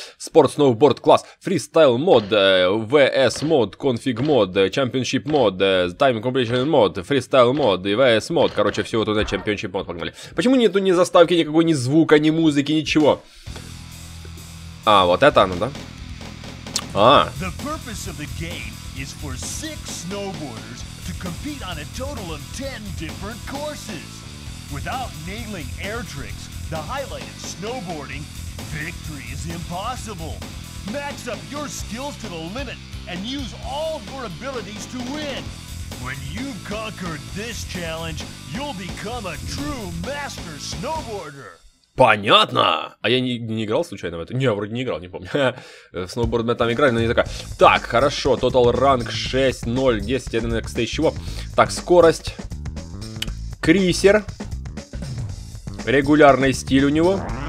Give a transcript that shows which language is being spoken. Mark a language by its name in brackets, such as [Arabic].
[Russian] Спорт-сноуборд, класс. Фристайл мод, VS мод, конфиг мод, чемпионшип мод, тайм комплишн мод, фристайл мод и VS мод. Короче, все вот это чемпионшип мод, погнали. Почему нету ни заставки, никакой ни звука, ни музыки, ничего? А, вот это оно, да? А. [English] The purpose of the game is for six snowboarders to compete on a total of 10 different courses. Without nailing air tricks, the highlight of snowboarding, victory is impossible. Max up your skills to the limit and use all of your abilities to win. When you've conquered this challenge, you'll become a true master snowboarder. [Russian] Понятно! А я не играл случайно в это? Не, вроде не играл, не помню. В сноуборд мы там играли, но не такая. Так, хорошо, total rank 6, 0, 10, 1, x, тысяч, чего? Так, скорость. Крисер. Регулярный стиль у него.